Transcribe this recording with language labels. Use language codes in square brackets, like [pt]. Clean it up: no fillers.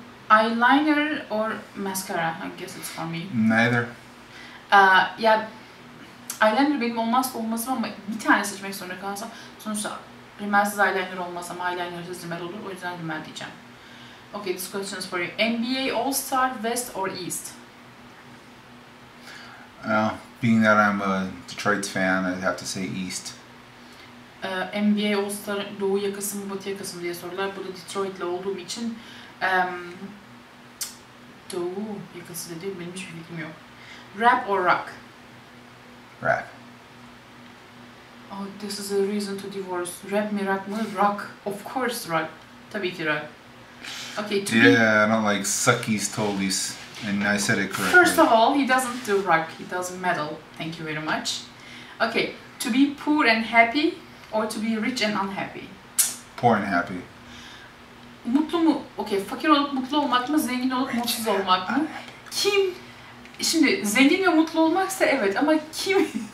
[en] Eyeliner or mascara, I guess it's for me. Neither. [tr] Eyeliner benim olmazsa olmazım ama bir tane seçmek zorunda kalsam, sonuçta rimelsiz eyeliner olmasam, eyelinersiz rimel olur, o yüzden rimel diyeceğim. [en] Okay, this question is for you. NBA All-Star, West or East? Being that I'm a Detroit fan, I'd have to say East. [tr] NBA All-Star, Doğu yakası mı, Batı yakası mı diye sorular. Bu da Detroit'le olduğum için... Doğu yakası dedi, benim hiçbir bilgim yok. [en] Rap or Rock? Rap. Oh, this is a reason to divorce. [tr] Rap mi, Rock mı? [en] Rock. Of course Rock. [tr] Tabii ki Rock. [en] Okay, yeah, I don't like suckies, tollies, and I said it correctly. First of all, he doesn't do rock, he does metal. Thank you very much. Okay, to be poor and happy, or to be rich and unhappy? Poor and happy. [tr] Mutlu mu? Okay, fakir olup mutlu olmak mı, zengin olup mutsuz olmak mı? Kim? Şimdi zengin ve mutlu olmaksa evet, ama kim?